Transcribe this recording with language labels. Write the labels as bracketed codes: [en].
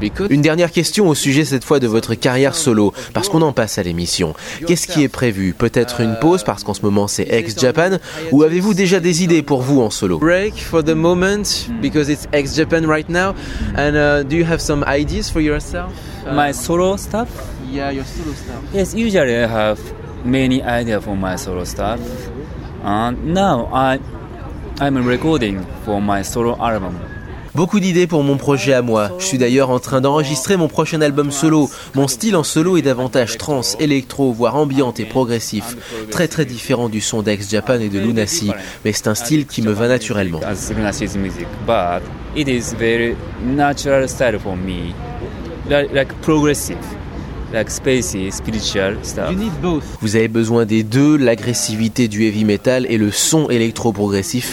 [fr] Une dernière question au sujet cette fois de votre carrière solo, parce qu'on en passe à l'émission. Qu'est-ce qui est prévu? Peut-être une pause parce qu'en ce moment c'est ex-Japan, ou avez-vous déjà des idées pour vous en solo? [en] Break for the moment because it's ex-Japan right now. And do you have some ideas for yourself? My solo stuff? Yeah, your solo stuff. Yes, usually I have many ideas for my solo stuff. And now I'm recording for my solo album. [fr] Beaucoup d'idées pour mon projet à moi. Je suis d'ailleurs en train d'enregistrer mon prochain album solo. Mon style en solo est davantage trance, électro, voire ambiante et progressif. Très très différent du son d'ex-Japan et de Lunacy, mais c'est un style qui me va naturellement. [en] Lunacy's music, but it is very natural style for me. Like progressive. Like spacey, spiritual stuff. You need both. [fr] Vous avez besoin des deux, l'agressivité du heavy metal et le son électro-progressif.